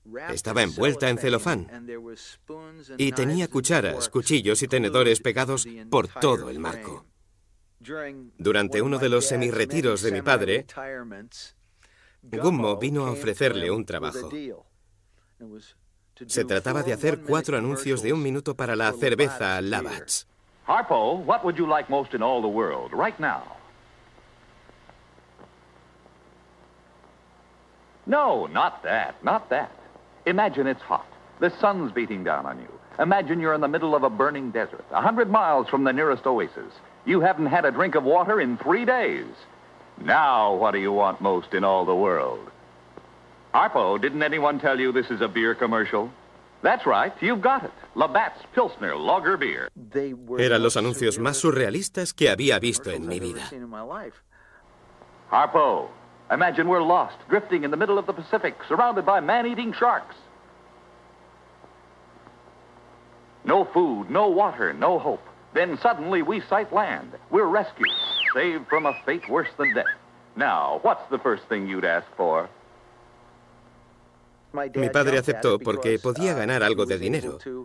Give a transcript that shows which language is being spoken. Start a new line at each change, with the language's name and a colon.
Spanish: Estaba envuelta en celofán y tenía cucharas, cuchillos y tenedores pegados por todo el marco. Durante uno de los semirretiros de mi padre, Gummo vino a ofrecerle un trabajo. Se trataba de hacer cuatro anuncios de un minuto para la cerveza Labatt's.
English: Harpo, what would you like most in all the world, right now? No, not that, not that. Imagine it's hot. The sun's beating down on you. Imagine you're in the middle of a burning desert, 100 miles from the nearest oasis. You haven't had a drink of water in 3 days. Now, what do you want most in all the world? Harpo, didn't anyone tell you this is a beer commercial? That's right, you've got it. Labatt's Pilsner Lager Beer.
Spanish: Eran los anuncios más surrealistas que había visto en mi vida.
English: Harpo, imagine we're lost, drifting in the middle of the Pacific, surrounded by man-eating sharks. No food, no water, no hope. Then suddenly we sight land. We're rescued, saved from a fate worse than death. Now, what's the first thing you'd ask for?
Spanish: Mi padre aceptó porque podía ganar algo de dinero.